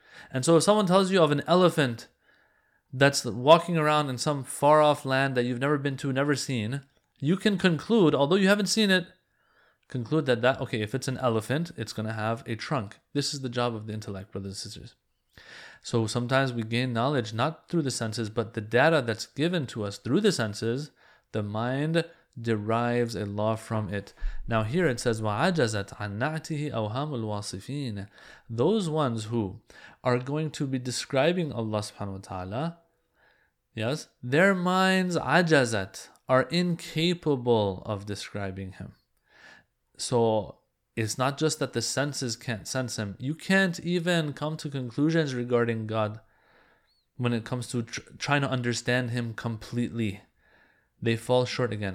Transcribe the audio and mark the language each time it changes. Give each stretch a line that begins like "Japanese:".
English: And so if someone tells you of an elephant that's walking around in some far-off land that you've never been to, never seen, you can conclude, although you haven't seen it, conclude that, okay, if it's an elephant, it's going to have a trunk. This is the job of the intellect, brothers and sisters. So sometimes we gain knowledge not through the senses, but the data that's given to us through the senses, the mind derives a law from it. Now here it says,
Arabic: وَعَجَزَتْ عَنْ نَعْتِهِ أَوْهَامُ الْوَاصِفِينَ.
English: Those ones who are going to be describing Allah subhanahu wa ta'ala, yes, their minds, عَجَزَتْ, are incapable of describing him. So it's not just that the senses can't sense him. You can't even come to conclusions regarding God when it comes to trying to understand him completely. They fall short again.